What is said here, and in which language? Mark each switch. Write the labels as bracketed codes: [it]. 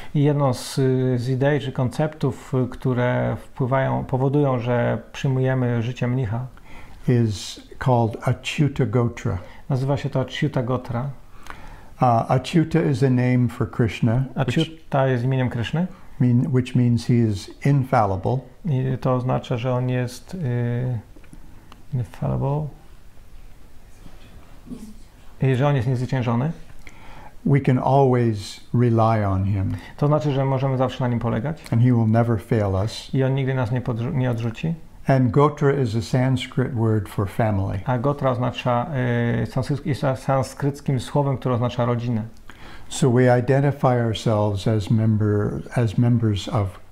[pl] I jedną z idei czy konceptów, które powodują, że przyjmujemy życie mnicha, [en] is called Achyuta Gotra. [pl] Nazywa się to Achyuta Gotra. [en] Achyuta is a name for Krishna. [pl] Achyuta jest imieniem Krishny. [en] Which means he is infallible. [pl] I to oznacza, że on jest infallible. I że on jest niezwyciężony. [en] We can always rely on him. [pl] To znaczy, że możemy zawsze na nim polegać. [en] And he will never fail us. [pl] I on nigdy nas nie odrzuci. [en] And Gotra is a Sanskrit word for family. [pl] A Gotra oznacza sanskryckim słowem, które oznacza rodzinę. [en] So we identify ourselves as members of